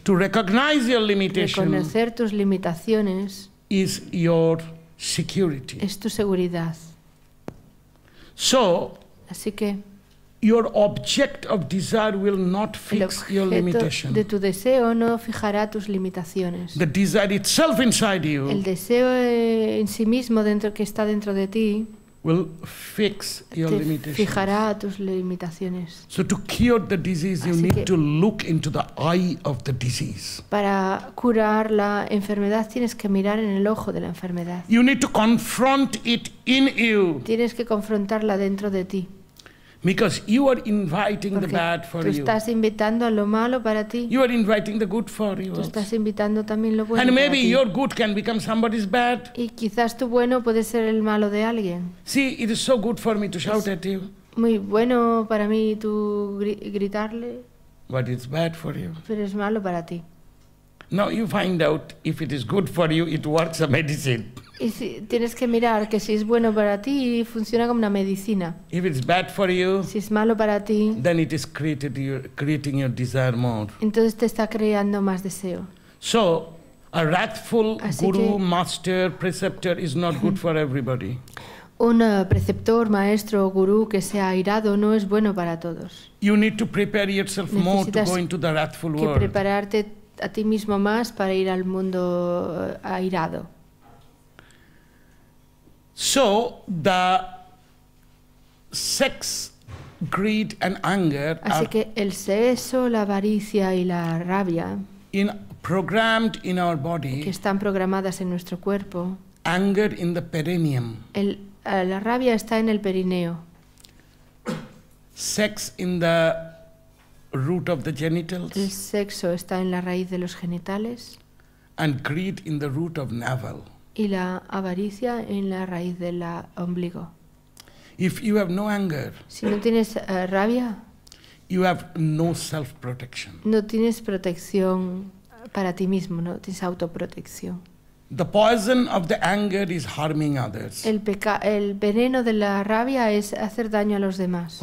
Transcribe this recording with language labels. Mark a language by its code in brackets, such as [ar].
[en] To recognize your limitation. [es] Reconocer tus limitaciones [en] is your security. [es] Es tu seguridad. [en] So, [es] así que [en] your object of desire will not fix your limitation. [es] De tu deseo no fijará tus limitaciones. [en] The desire itself inside you. [es] El deseo en sí mismo dentro que está dentro de ti [en] will fix your [es] te [en] limitations. [es] Fijará tus limitaciones. [en] So to cure the disease, [es] así [en] you need to look into the eye of the disease. [es] Para curar la enfermedad, tienes que mirar en el ojo de la enfermedad. [en] You need to confront it in you. [es] Tienes que confrontarla dentro de ti. [en] Because you are inviting [es] porque [en] the bad for [es] tú estás [en] you. [es] Invitando a lo malo para ti. [en] You are inviting the good for you. [es] Tú estás invitando también lo bueno [en] and [es] para [en] maybe [es] ti. [en] Your good can become somebody's bad. [es] Y quizás tu bueno puede ser el malo de alguien. [en] See, it is so good for me to shout at you. [es] Muy bueno para mí tú gritarle. [en] But it's bad for you. [es] Pero es malo para ti. [en] No, you find out if it is good for you, it works a medicine. [es] Y si, tienes que mirar que si es bueno para ti y funciona como una medicina. [en] If it's bad for you, [es] si es malo para ti, [en] then it is creating your desire more. [es] Entonces te está creando más deseo. [en] So, a wrathful [es] Así [en] guru, [es] que, [en] master, preceptor is not good for everybody. [es] Un preceptor, maestro o gurú que sea airado no es bueno para todos. [en] You need to prepare yourself more to go into the wrathful world. [es] Necesitas prepararte a ti mismo más para ir al mundo airado. [en] So the sex, greed and anger [es] Así que el sexo, la avaricia y la rabia [en] programmed in our body, [es] que están programadas en nuestro cuerpo. [en] Anger in the perineum. [es] La rabia está en el perineo. [en] Sex in the root of the genitals. [es] El sexo está en la raíz de los genitales. [en] And greed in the root of navel. [es] Y la avaricia en la raíz del ombligo. [en] If you have no anger, [es] si no tienes rabia, [en] you have no self-protection. [es] No tienes protección para ti mismo, no tienes autoprotección. [en] The poison of the anger is harming others. [es] El veneno de la rabia es hacer daño a los demás.